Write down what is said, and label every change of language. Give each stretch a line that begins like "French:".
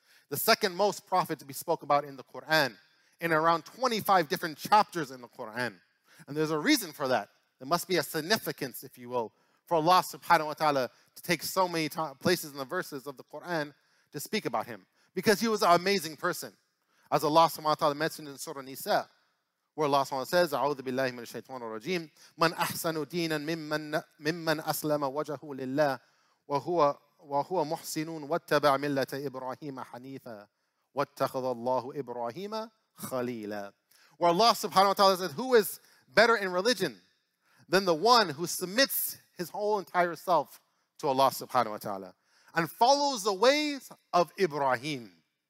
English: The second most prophet to be spoke about in the Quran, in around 25 different chapters in the Quran. And there's a reason for that. There must be a significance, if you will, for Allah subhanahu wa ta'ala to take so many places in the verses of the Quran to speak about him. Because he was an amazing person. As Allah subhanahu wa ta'ala mentioned in Surah Nisa, where Allah subhanahu wa ta'ala says,
Arabic: أعوذ بالله من الشيطان الرجيم من أحسن دينا ممن أسلم وجهه لله وهو محسن واتبع ملة إبراهيم حنيفا واتخذ الله إبراهيم خليلا.
English: Where Allah subhanahu wa ta'ala says, who is better in religion than the one who submits his whole entire self to Allah subhanahu wa ta'ala and follows the ways of Ibrahim.